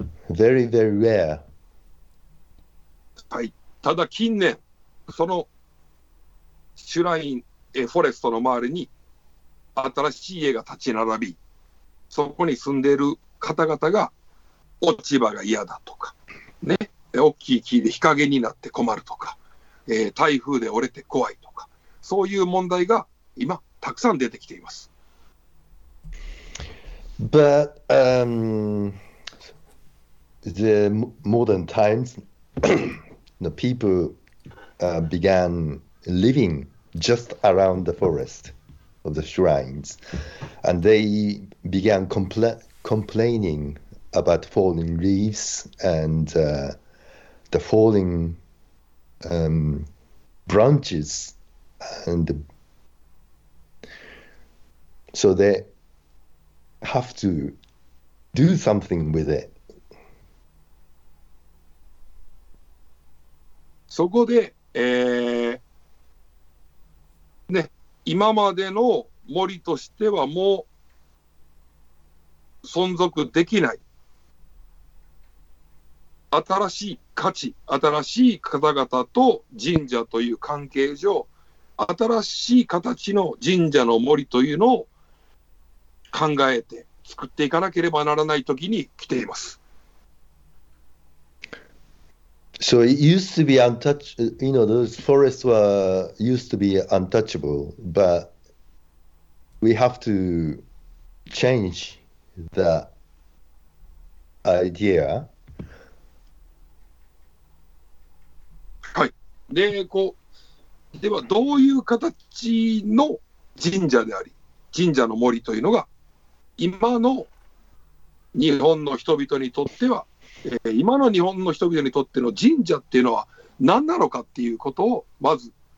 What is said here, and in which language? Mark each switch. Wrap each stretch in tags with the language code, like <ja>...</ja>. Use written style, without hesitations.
<en>Very, very rare.</en> <ja>はい。ただ近年、そのシュライン、フォレストの周りに新しい家が立ち並び、そこに住んでいる方々が落ち葉が嫌だとか、ね、大きい木で日陰になって困るとか。台風で折れて怖いとか、そういう問題が今たくさん出てきています。</ja> <en>But the modern times, the people began living just around the forest of the shrines, and they began complaining about falling leaves and the fallingbranches and so they have to do something with it.</en> <ja>そこで、ね、今までの森としてはもう存続できない新しい価値、新しい方々と神社という関係上、新しい形の神社の森というのを考えて作っていかなければならない時に来ています。</ja> <en>So it used to be untouchable, you know, those forests were used to be untouchable, but we have to change the idea.</en> <ja>で、こう、では、どういう形の神社であり、神社の森というのが、今の日本の人々にとっては、今の日本の人々にとっての神社っていうのは何なのかっていうことを、まず</ja>